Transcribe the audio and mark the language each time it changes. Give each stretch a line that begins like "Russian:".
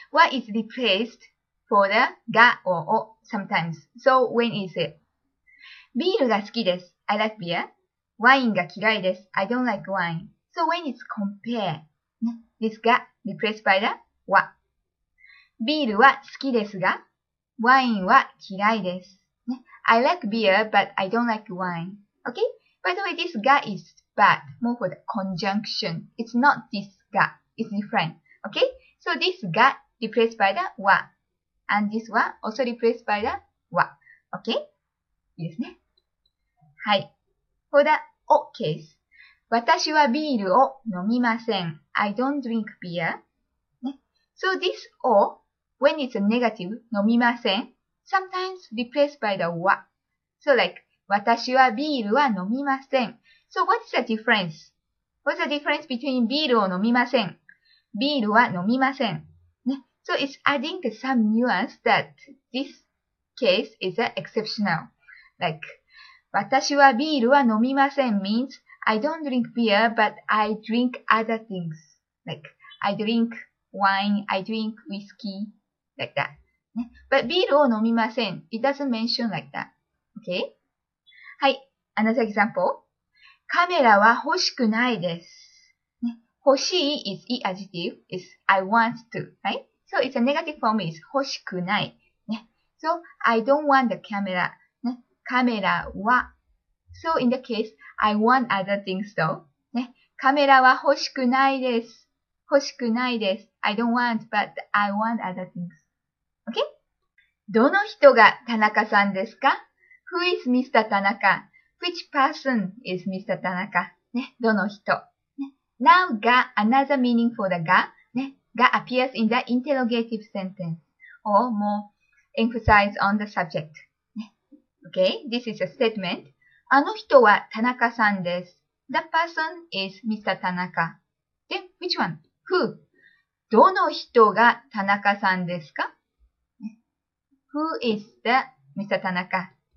English: What is replaced for the が or を sometimes? So, when is it?
Japanese: ビールが好きです。
English: I like beer.
Japanese: ワインが嫌いです。
English: I don't like wine. So when it's compare, this が replaced by the は.
Japanese: ビールは好きですが, ワインは嫌いです.
English: I like beer, but I don't like wine. Okay? By the way, this が is bad, more for the conjunction. It's not this が, it's different. Okay? So this が replaced by the は. And this は also replaced by the は. Okay?
Japanese: いいですね。はい。
English: For the O case.
Japanese: 私はビールを飲みません。
English: I don't drink beer. ね? So this O, when it's a negative, 飲みません, sometimes replaced by the wa. So like,
Japanese: 私はビールは飲みません。
English: So what's the difference? What's the difference between
Japanese: ビールを飲みません?ビールは飲みません。
English: ね? So it's adding some nuance that This case is exceptional. Like,
Japanese: 私はビールは飲みません
English: means I don't drink beer, but I drink other things. Like, I drink wine, I drink whiskey, like that. But
Japanese: ビールを飲みません
English: It doesn't mention like that. Okay? はい、another example.
Japanese: カメラは欲しくないです。
English: 欲しい is the adjective, is I want to, right? So it's a negative form is 欲しくない。So I don't want the camera.
Japanese: カメラは。
English: So in the case, I want other things though.
Japanese: カメラは欲しくないです。欲しくないです。
English: I don't want, but I want other things. Okay?
Japanese: どの人が田中さんですか?
English: Who is Mr. Tanaka? Which person is Mr. Tanaka? どの人? Now, が, another meaning for the が, が appears in the interrogative sentence, or more emphasize on the subject. Okay, this is a statement.
Japanese: あの人は田中さんです。
English: That person is Mr. Tanaka. Then, which one? Who?
Japanese: どの人が田中さんですか?
English: Who is the Mr. Tanaka?